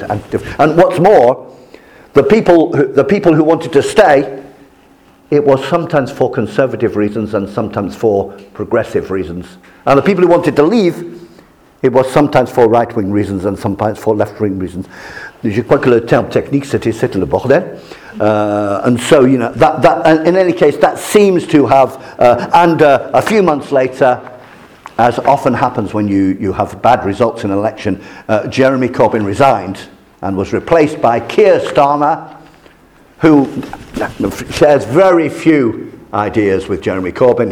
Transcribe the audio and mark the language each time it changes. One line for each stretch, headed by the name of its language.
English: And what's more, the people who wanted to stay it was sometimes for conservative reasons and sometimes for progressive reasons. And the people who wanted to leave, it was sometimes for right-wing reasons and sometimes for left-wing reasons.
French: Je crois que le terme technique c'était c'était le bordel.
English: And so, you know, that in any case, that seems to have, a few months later, as often happens when you have bad results in an election, Jeremy Corbyn resigned and was replaced by Keir Starmer, who shares very few ideas with Jeremy Corbyn.